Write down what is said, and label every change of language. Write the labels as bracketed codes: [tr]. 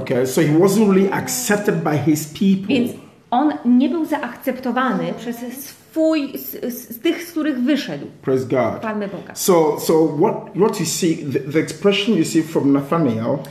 [en] Okay, so he wasn't really accepted by his people. [pl] Więc on nie był zaakceptowany przez swój z tych, z których wyszedł. [en] Praise God. [pl] Palmy Boga. [en] So what you see, the expression you see from Nathanael.